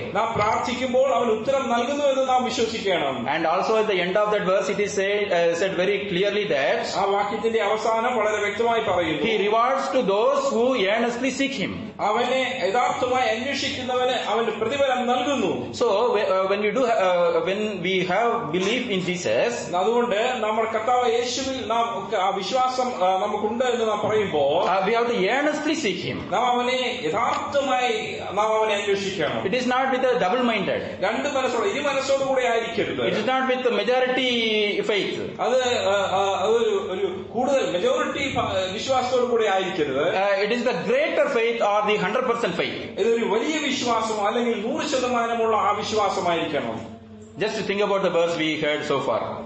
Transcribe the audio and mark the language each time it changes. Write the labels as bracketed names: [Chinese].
[Malayalam] നാം പ്രാർത്ഥിക്കുമ്പോൾ അവൻ ഉത്തരം നൽകുന്നു എന്ന് നാം വിശ്വസിക്കണം. [English] and also at the end of that verse it is said very clearly that, [Malayalam] ആ വാക്യത്തിന്റെ അവസാനം വളരെ വ്യക്തമായി പറയുന്നു, [English] He rewards to those who earnestly seek him. [Malayalam] അവനെ യഥാർത്ഥമായി അന്വേഷിക്കുന്നവന് അവന്റെ പ്രതിഫലം നൽകുന്നു. [English] so when we do when we have belief in Jesus, [Malayalam] അതുകൊണ്ട് നമ്മൾ കർത്താവ് യേശുവിൽ നാം ആ വിശ്വാസം നമുക്കുണ്ട് എന്ന് നാം പറയുമ്പോൾ [English] we have to earnestly seek him. [Malayalam] നാം അവനെ യഥാർത്ഥമായി നാം അവനെ അന്വേഷിക്കണം. [English] It is not with a double minded. [Malayalam] രണ്ട് മനസ്സോട് ഇരു മനസ്സോട് കൂടെ ആയിരിക്കരുത്. [English] It is not with the majority faith. [Malayalam] അത് ഒരു കൂടുതൽ മെജോറിറ്റി വിശ്വാസത്തോടു കൂടെ ആയിരിക്കരുത്. [English] It is the greater faith or the 100% faith. [Malayalam] ഇതൊരു വലിയ വിശ്വാസം അല്ലെങ്കിൽ 100% ആ വിശ്വാസമായിരിക്കണം. [English] Just think about the verse we heard so far.